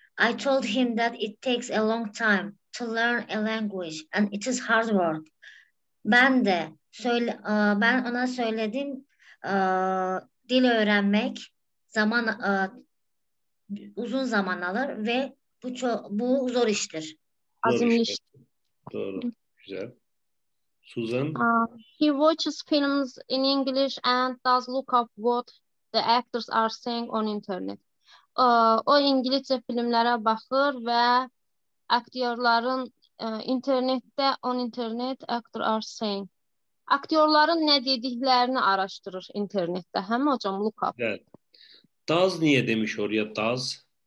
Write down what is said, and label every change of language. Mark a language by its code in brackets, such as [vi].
[en] I told him that it takes a long time to learn a language and it is hard work. [tr] Ben ona söyledim dil öğrenmek zaman uzun zaman alır ve bu zor iştir. Azimli iştir. Doğru. Güzel. Susan. [en] He watches films in English and does look up what the actors are saying on internet. [tr] O İngilizce filmlere bakır ve aktörlerin internette [en] on internet actor are saying. [tr] Aktörlerin ne dediklerini araştırır internette. Hem hocam look up. Evet. Does niye demiş oraya does?